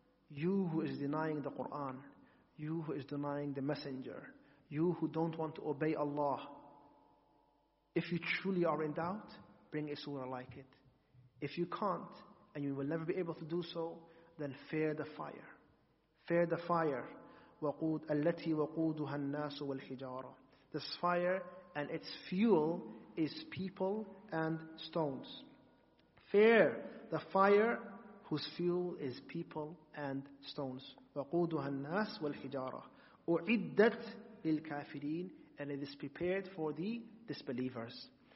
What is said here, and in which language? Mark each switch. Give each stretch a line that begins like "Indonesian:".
English: You who is denying the Qur'an, you who is denying the Messenger, you who don't want to obey Allah, if you truly are in doubt, bring a surah like it. If you can't, and you will never be able to do so, then fear the fire. Fear the fire.
Arabic: وقود التي وقودها الناس والحجارة.
English: This fire and its fuel is people and stones. Fear the fire whose fuel is people and stones.
Arabic: وقودها الناس والحجارة. أعدت للكافرين,
English: and it is prepared for the disbelievers.